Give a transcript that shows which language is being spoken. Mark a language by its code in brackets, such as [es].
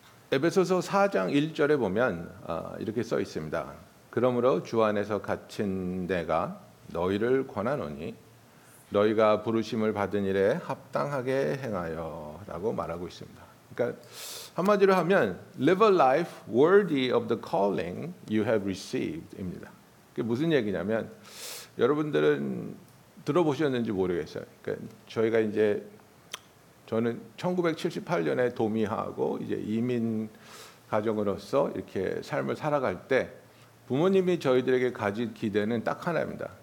[ko] 에베소서 4장 1절에 보면 이렇게 써 있습니다. 그러므로 주 안에서 갇힌 내가 너희를 권하노니 너희가 부르심을 받은 일에 합당하게 행하여 라고 말하고 있습니다. 그러니까 한마디로 하면 [en] live a life worthy of the calling you have received [ko] 입니다. 그게 무슨 얘기냐면 여러분들은 들어보셨는지 모르겠어요. 그러니까 저희가 이제 저는 1978년에 도미하고 이제 이민 가정으로서 이렇게 삶을 살아갈 때 부모님이 저희들에게 가진 기대는 딱 하나입니다.